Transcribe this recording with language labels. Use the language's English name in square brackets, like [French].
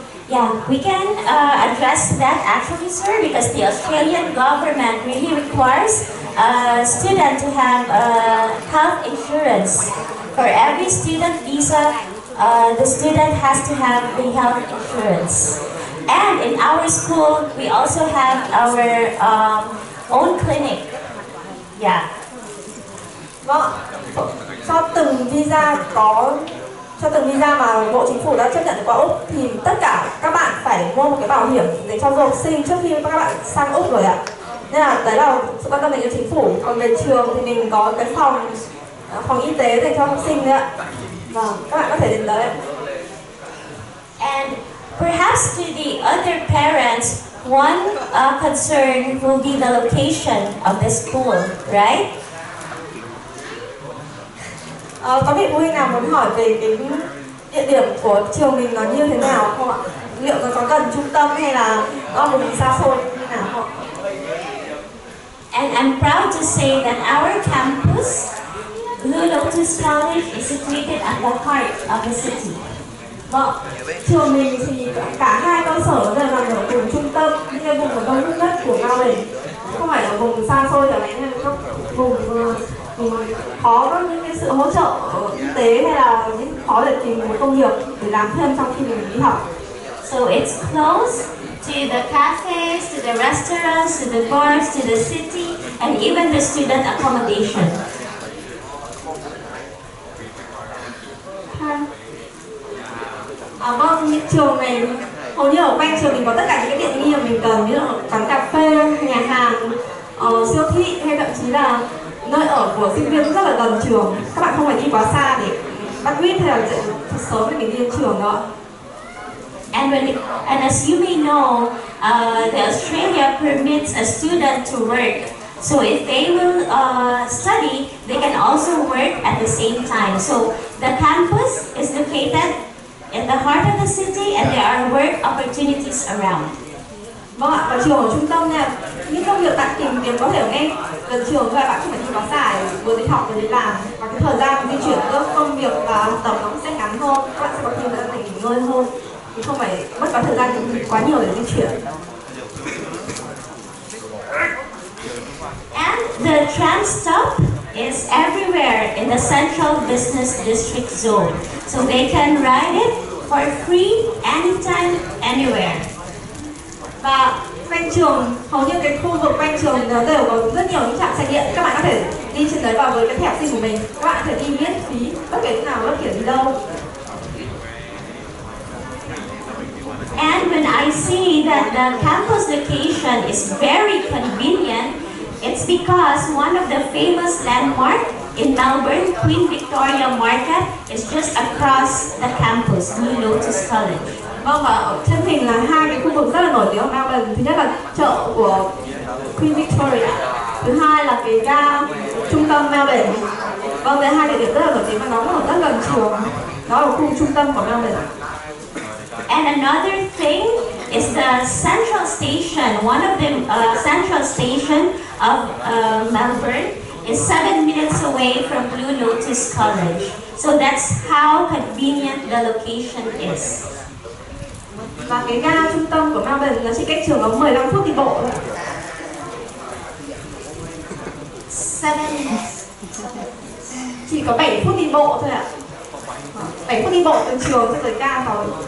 [English] Yeah, we can address that actually, sir, because the Australian government really requires a student to have health insurance. For every student visa, the student has to have the health insurance. And in our school, we also have our own clinic. Yeah. [Vietnamese] Vâng, cho từng visa có, cho từng visa mà Bộ Chính phủ đã chấp nhận qua Úc thì tất cả các bạn phải mua một cái bảo hiểm để cho du học sinh trước khi các bạn sang Úc rồi ạ. Nên là đấy là sự quan tâm đến Chính phủ. Còn về trường thì mình có cái phòng phòng y tế dành cho học sinh đấy ạ. Vâng, các bạn có thể đến đấy. [English] And perhaps to the other parents, one concern will be the location of the school, right? [Vietnamese] Có vị phụ huynh nào muốn hỏi về cái địa điểm của trường mình nó như thế nào không ạ? Liệu nó có gần trung tâm hay là nó ở vùng xa xôi như thế nào không? [English] And I'm proud to say that our campus, Blue Lotus College, is situated at the heart of the city. [Vietnamese] Vâng, trường mình thì cả hai cơ sở đều nằm ở vùng trung tâm, như vùng của đông đúc nhất của Cao Bình. Không phải là vùng xa xôi chẳng hạn, hay là vùng khó có những cái sự hỗ trợ y tế hay là những khó để tìm một công việc để làm thêm trong khi mình đi học. [English] So it's close to the cafes, to the restaurants, to the bars, to the city, and even the student accommodation. [Vietnamese] À vâng, những trường này hầu như ở quanh trường mình có tất cả những cái tiện nghi mà mình cần, như là quán cà phê, nhà hàng, siêu thị hay thậm chí là nơi ở của sinh viên cũng rất là gần trường. Các bạn không phải đi quá xa để bắt buýt hay là dậy sớm để mình đi đến trường đó. [English] And when it, and as you may know, the Australia permits a student to work. So if they will study, they can also work at the same time. So the campus is located in the heart of the city, and there are work opportunities around. [Vietnamese] Vâng ạ, và trường ở trung tâm nha. Những công việc tạm tìm kiếm có thể ở ngay gần trường thôi, bạn không phải đi quá xa, vừa đi học vừa đi làm. Và cái thời gian di chuyển giữa công việc và học tập nó cũng sẽ ngắn hơn. Các bạn sẽ có thêm thời gian nghỉ ngơi hơn, chứ không phải mất quá thời gian quá nhiều để di chuyển. [English] And the tram stop is everywhere in the central business district zone. So they can ride it for free anytime, anywhere. [Vietnamese] Và quanh trường, hầu như cái khu vực quanh trường nó đều có rất nhiều những trạm xe điện. Các bạn có thể đi trên đấy và với cái thẻ học sinh của mình, các bạn có thể đi miễn phí bất kể nào, bất kể đi đâu. [English] And when I see that the campus location is very convenient, it's because one of the famous landmarks in Melbourne, Queen Victoria Market, is just across the campus, Blue Lotus College. [Vietnamese] Vâng, và chân hình là hai cái khu vực rất là nổi tiếng ở Melbourne. Thứ nhất là chợ của Queen Victoria, thứ hai là cái ga trung tâm Melbourne. Vâng, đấy hai địa điểm rất là nổi tiếng và nó cũng ở rất gần trường. Nó ở khu trung tâm của Melbourne. [English] And another thing is the central station, one of the central station of Melbourne is 7 minutes away from Blue Lotus College. So that's how convenient the location is. [Vietnamese] Và cái ga trung tâm của Melbourne là chỉ cách trường có 15 phút đi bộ thôi. [English] 7 minutes. [Vietnamese] Chỉ có 7 phút đi bộ thôi ạ. 7 phút đi bộ từ trường cho tới ga thôi.